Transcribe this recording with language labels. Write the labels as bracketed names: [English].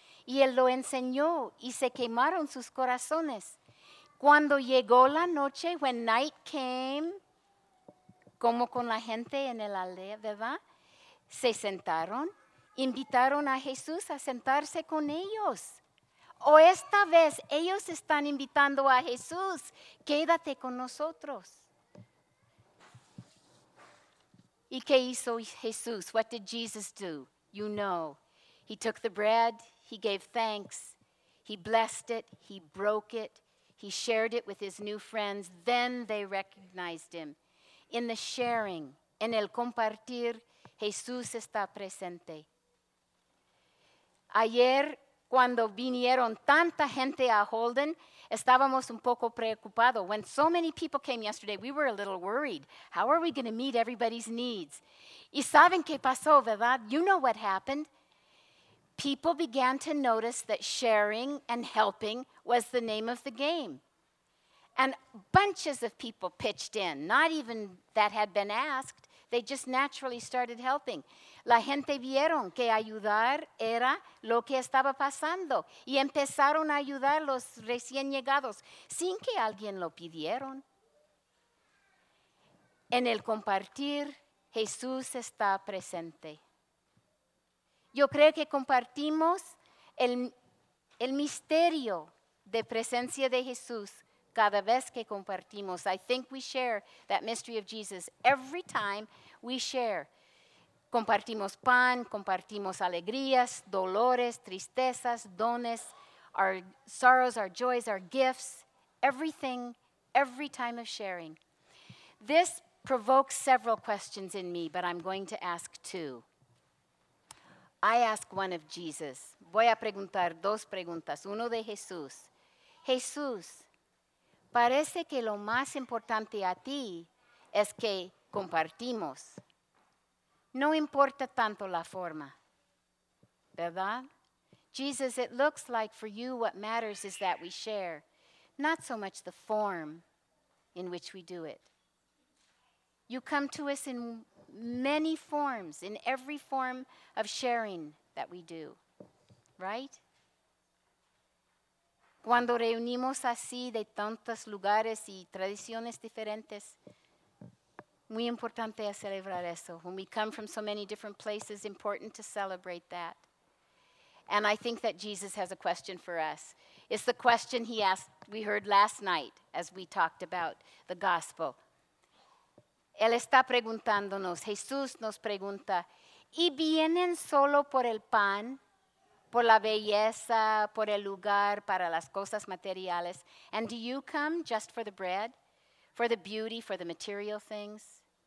[Spanish] Y él lo enseñó y se quemaron sus corazones. Cuando llegó la noche, [English] when night came, [Spanish] como con la gente en el aldea, ¿verdad? Se sentaron, invitaron a Jesús a sentarse con ellos. O esta vez ellos están invitando a Jesús, quédate con nosotros. ¿Y qué hizo Jesús? [English] What did Jesus do? You know, he took the bread, he gave thanks, he blessed it, he broke it, he shared it with his new friends. Then they recognized him. In the sharing, [Spanish] en el compartir, Jesús está presente. Ayer, cuando vinieron tanta gente a Holden, estábamos un poco preocupados. [English] When so many people came yesterday, we were a little worried. How are we going to meet everybody's needs? [Spanish] Y saben qué pasó, ¿verdad? [English] You know what happened. People began to notice that sharing and helping was the name of the game. And bunches of people pitched in, not even that had been asked. They just naturally started helping. [Spanish] La gente vieron que ayudar era lo que estaba pasando y empezaron a ayudar los recién llegados sin que alguien lo pidieron. En el compartir, Jesús está presente. Yo creo que compartimos el misterio de presencia de Jesús cada vez que compartimos. [English] I think we share that mystery of Jesus every time we share. [Spanish] Compartimos pan, compartimos alegrías, dolores, tristezas, dones, [English] our sorrows, our joys, our gifts, everything, every time of sharing. This provokes several questions in me, but I'm going to ask two. I ask one of Jesus. [Spanish] Voy a preguntar dos preguntas. Uno de Jesús. Jesús, Parece que lo más importante a ti es que compartimos. No importa tanto la forma, ¿verdad? [English] Jesus, it looks like for you what matters is that we share, not so much the form in which we do it. You come to us in many forms, in every form of sharing that we do, right? [Spanish] Cuando reunimos así de tantos lugares y tradiciones diferentes, muy importante es celebrar eso. [English] When we come from so many different places, important to celebrate that. And I think that Jesus has a question for us. It's the question he asked, we heard last night as we talked about the gospel. [Spanish] Él está preguntándonos, Jesús nos pregunta, ¿y vienen solo por el pan? Por la belleza, por el lugar, para las cosas materiales. [English] And do you come just for the bread, for the beauty, for the material things?